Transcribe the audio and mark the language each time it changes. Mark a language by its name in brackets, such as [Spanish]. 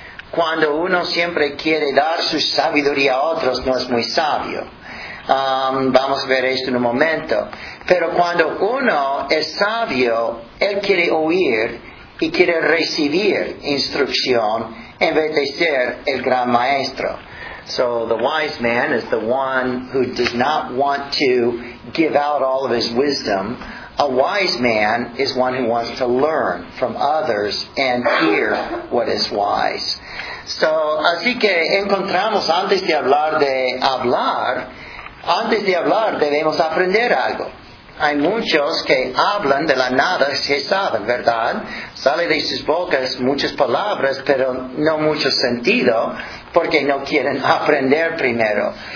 [Spanish] Cuando uno siempre quiere dar su sabiduría a otros, no es muy sabio. Vamos a ver esto en un momento. Pero cuando uno es sabio, él quiere oír y quiere recibir instrucción en vez de ser el gran maestro. [English] So the wise man is the one who does not want to give out all of his wisdom. A wise man is one who wants to learn from others and hear what is wise. [Spanish] So, así que encontramos antes de hablar debemos aprender algo. Hay muchos que hablan de la nada que saben, ¿verdad? Sale de sus bocas muchas palabras, pero no mucho sentido, porque no quieren aprender primero.